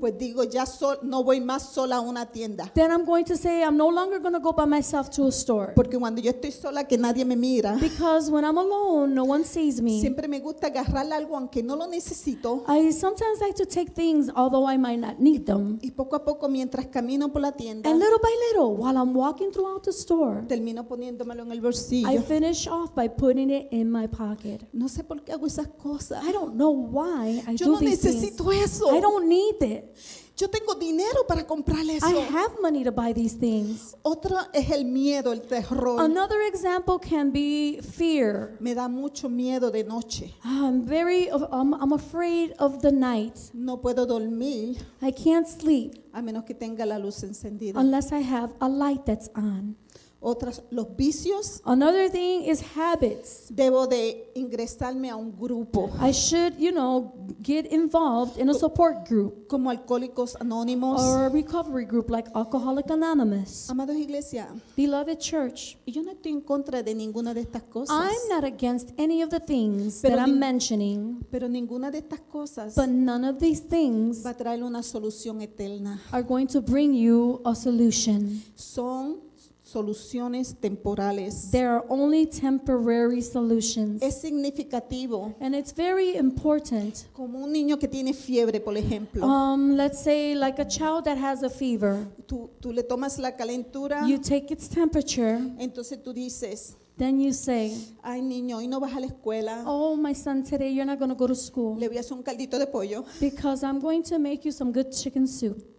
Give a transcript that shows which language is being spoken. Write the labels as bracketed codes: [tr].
[es] pues digo, ya sol, no voy más sola a una tienda, [en] then I'm going to say I'm no longer going to go by myself to a store. [es] Porque cuando yo estoy sola, que nadie me mira. [en] Because when I'm alone, no one sees me. [es] Siempre me gusta agarrar algo aunque no lo necesito. [en] I sometimes like to take things although I might not need them. [es] Y poco a poco, mientras camino por la tienda, [en] and little by little, while I'm walking throughout the store, [es] termino poniéndomelo en el bolsillo. [en] I finish off by putting it in my pocket. [es] No sé por qué hago esas cosas. [en] I don't know why I [es] yo [en] do [es] no [en] these [es] necesito [en] things. [es] Eso. [en] I don't need it. [es] Yo tengo dinero para comprar eso. [en] I have money to buy these things. [es] Otro es el miedo, el terror. [en] Another example can be fear. [es] Me da mucho miedo de noche. [en] I'm afraid of the night. [es] No puedo dormir. [en] I can't sleep. [es] A menos que tenga la luz encendida. [en] Unless I have a light that's on. [es] Otras, los vicios. [en] Another thing is habits. [es] Debo de ingresarme a un grupo. [en] I should, you know, get involved in a support group. [es] Como Alcohólicos Anónimos. [en] Or a recovery group like Alcoholic Anonymous. [es] Amados iglesia. [en] Beloved church. [es] Yo no estoy en contra de ninguna de estas cosas. [en] I'm not against any of the things that I'm mentioning. [es] Pero ninguna de estas cosas. [en] But none of these things. [es] Va a traer una solución eterna. [en] Are going to bring you a solution. [es] Son soluciones temporales. [en] There are only temporary solutions. [es] Es significativo. [en] And it's very important. [es] Como un niño que tiene fiebre, por ejemplo. [en] Let's say like a child that has a fever. [es] Tú le tomas la calentura. [en] You take its temperature. [es] Entonces tú dices. [en] Then you say, [es] ay, niño, hoy no vas a la escuela. [en] Oh, my son, today you're not going to go to school. [es] Le voy a hacer un caldito de pollo. [en] Because I'm going to make you some good chicken soup.